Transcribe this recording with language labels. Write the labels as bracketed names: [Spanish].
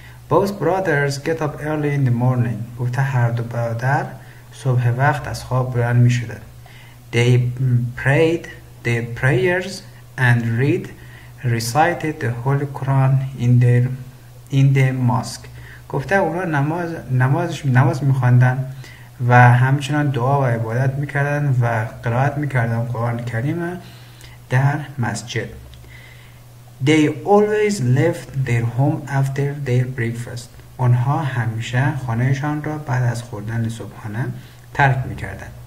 [English] Both brothers get up early in the morning. [Persian] وقت هر دو برادر صبح وقت از خواب بلند می شدن. [English] They prayed their prayers and recited the Holy Quran in the mosque. [Persian] گفته اونا نماز میخواندن و همچنان دعا و عبادت میکردن و قرائت میکردن قرآن کریم در مسجد. [English] They always left their home after their breakfast. [Persian] اونها همیشه خانهشان را بعد از خوردن صبحانه ترک میکردن.